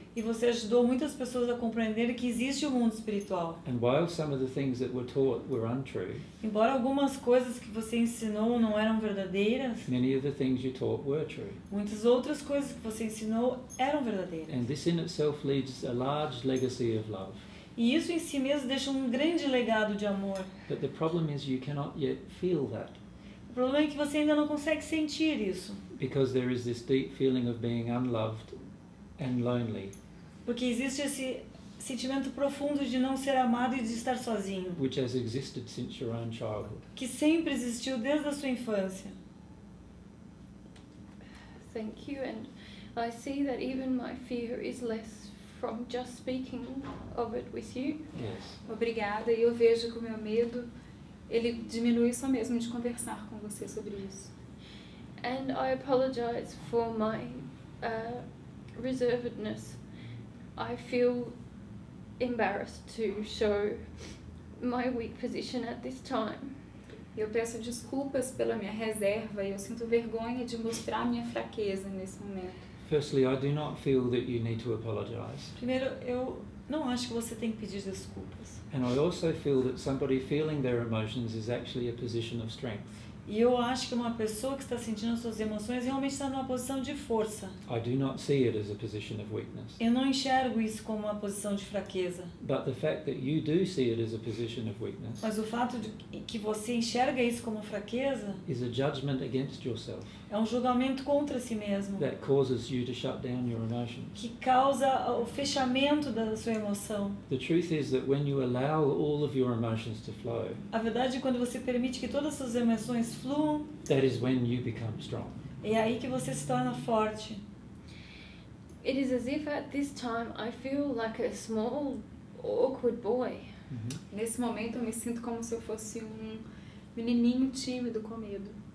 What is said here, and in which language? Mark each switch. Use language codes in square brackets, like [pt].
[pt] E você ajudou muitas pessoas a compreender que existe um mundo espiritual. [en] And while some of the things that were taught were untrue. [pt] Embora algumas coisas que você ensinou não eram verdadeiras. [en] Many of the things you taught were true. [pt] Muitas outras coisas que você ensinou eram verdadeiras. [en] And this in itself leaves a large legacy of love. [pt] E isso em si mesmo deixa um grande legado de amor. [en] But the problem is you cannot yet feel that. [pt] O problema é que você ainda não consegue sentir isso. [en] Because there is this deep feeling of being unloved and lonely. [pt] Porque existe esse sentimento profundo de não ser amado e de estar sozinho. [en] Which has existed since your own childhood. [pt] Que sempre existiu desde a sua infância. [en] Thank you, and I see that even my fear is less from just speaking of it with you. Yes. [pt] Obrigada, e eu vejo que o meu medo, ele diminui só mesmo de conversar com você sobre isso. [en] And I apologize for my reservedness. I feel embarrassed to show my weak position at this time. [pt] Eu peço desculpas pela minha reserva e eu sinto vergonha de mostrar minha fraqueza nesse momento. [en] Firstly, I do not feel that you need to apologize. [pt] Primeiro, eu não acho que você tem que pedir desculpas. [en] And I also feel that somebody feeling their emotions is actually a position of strength. [pt] E eu acho que uma pessoa que está sentindo suas emoções realmente está numa posição de força. [en] I do not see it as a position of weakness. [pt] Eu não enxergo isso como uma posição de fraqueza. [en] But the fact that you do see it as a position of weakness. [pt] Mas o fato de que você enxerga isso como fraqueza [en] is a judgment against yourself. [pt] É um julgamento contra si mesmo. [en] That causes you to shut down your emotions. [pt] Que causa o fechamento da sua emoção. [en] The truth is that when you allow all of your emotions to flow. [pt] A verdade é quando você permite que todas as suas emoções [en] that is when you become strong. [pt] É aí que você se torna forte. [en] It is as if at this time I feel like a small, awkward boy. Mm-hmm. [pt] Nesse momento eu me sinto como se eu fosse um menininho tímido com medo.